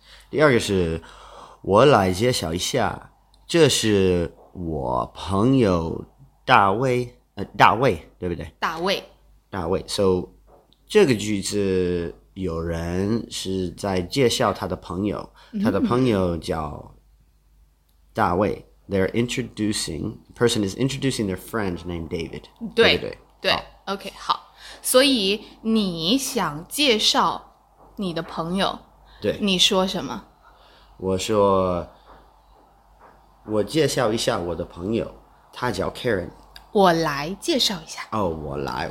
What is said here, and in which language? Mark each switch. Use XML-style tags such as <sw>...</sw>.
<zh>第二个是，我来介绍一下，这是我朋友大卫，大卫，对不对？大卫，大卫。 So， 这个句子有人是在介绍他的朋友，他的朋友叫大卫。</zh> <en>They're introducing the person is introducing their friend named David，</en> <zh>对不对？对 ，OK， 好。所以你想介绍你的朋友。对，你说什么？我说，我介绍一下我的朋友，他叫 Karen。我来介绍一下。哦，我来。</zh>